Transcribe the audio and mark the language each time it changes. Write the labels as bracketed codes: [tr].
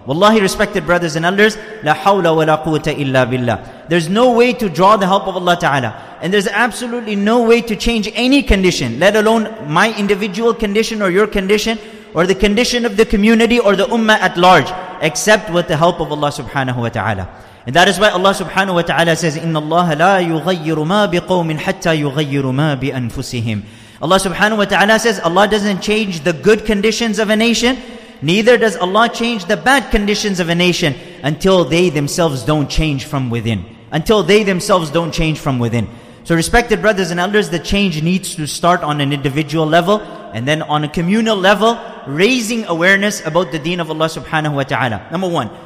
[en] Wallahi, respected brothers and elders, [ar] la hawla wa la quwwata illa billah. [en] There's no way to draw the help of Allah ta'ala. And there's absolutely no way to change any condition, let alone my individual condition or your condition, or the condition of the community or the ummah at large, except with the help of Allah subhanahu wa ta'ala. And that is why Allah subhanahu wa ta'ala says, [ar] إِنَّ اللَّهَ لَا يُغَيِّرُ مَا بِقَوْمٍ حَتَّى يُغَيِّرُ مَا بِأَنفُسِهِمْ. [en] Allah subhanahu wa ta'ala says, Allah doesn't change the good conditions of a nation, neither does Allah change the bad conditions of a nation until they themselves don't change from within. Until they themselves don't change from within. So respected brothers and elders, the change needs to start on an individual level and then on a communal level, raising awareness about the deen of Allah subhanahu wa ta'ala. Number one.